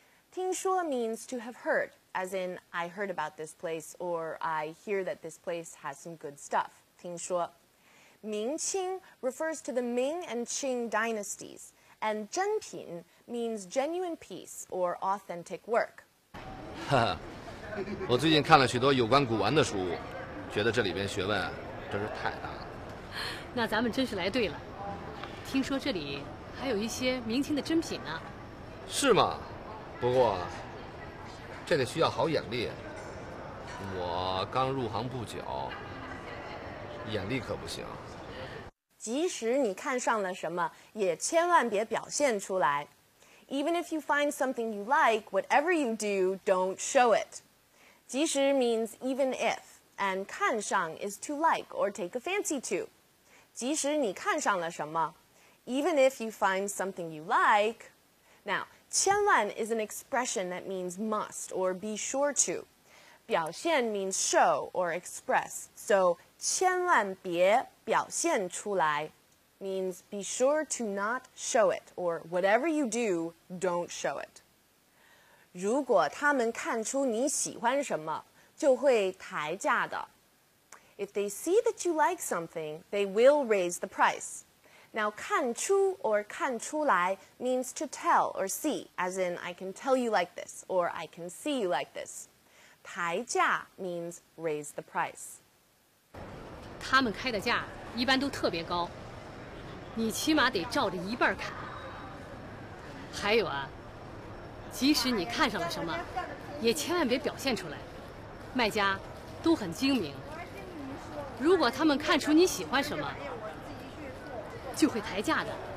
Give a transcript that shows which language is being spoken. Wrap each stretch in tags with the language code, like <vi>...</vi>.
<en>听说 means to have heard, as in, I heard about this place, or I hear that this place has some good stuff.</en> <zh>听说。</zh> <en>Ming Qing refers to the Ming and Qing dynasties, and 真品 means genuine piece or authentic work.</en> <zh>哈哈，我最近看了许多有关古玩的书，觉得这里边学问真是太大了。那咱们真是来对了，听说这里还有一些明清的珍品呢。是吗？不过这得需要好眼力，我刚入行不久，眼力可不行。即使你看上了什么，也千万别表现出来。</zh> <en>Even if you find something you like, whatever you do, don't show it. 即使 means even if, and 看上 is to like or take a fancy to.</en> <zh>即使你看上了什么</zh> <en>Even if you find something you like. Now, 千万 is an expression that means must or be sure to. 表现 means show or express. So,</en> <zh>千万别表现出来</zh> <en>means be sure to not show it, or whatever you do, don't show it.</en> <zh>如果他们看出你喜欢什么，就会抬价的。</zh> <en>If they see that you like something, they will raise the price. Now, 看出 or 看出来 means to tell or see, as in, I can tell you like this, or I can see you like this. 抬价 means raise the price.</en> <zh>他们开的价一般都特别高。你起码得照着一半砍。还有啊，即使你看上了什么，也千万别表现出来。卖家都很精明，如果他们看出你喜欢什么，就会抬价的。</zh>